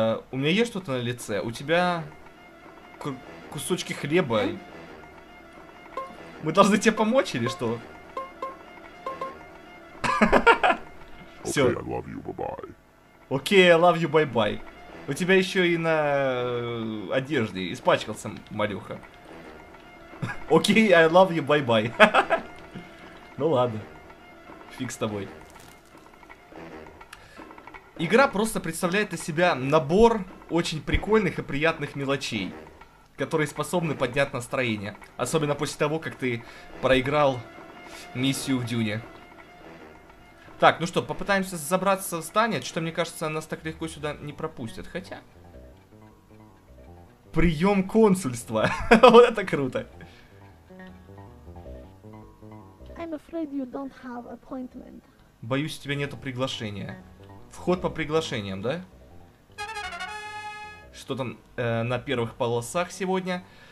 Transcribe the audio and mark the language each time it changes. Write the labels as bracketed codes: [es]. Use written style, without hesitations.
[ru] У меня есть что-то на лице. У тебя кусочки хлеба. Мы должны тебе помочь или что? Все. [en] Okay, I love you, bye-bye. Okay, I love you, bye-bye. [ru] У тебя еще и на одежде испачкался, малюха. [en] Окей, okay, I love you, bye-bye. [ru] Ну ладно. Фиг с тобой. Игра просто представляет из себя набор очень прикольных и приятных мелочей, которые способны поднять настроение. Особенно после того, как ты проиграл миссию в Дюне. Так, ну что, попытаемся забраться в здание. Что-то мне кажется, нас так легко сюда не пропустят. Хотя... Прием консульства. Вот это круто. [en] I'm afraid you don't have appointment. [ru] Боюсь, у тебя нету приглашения. Вход по приглашениям, да? Что там на первых полосах сегодня?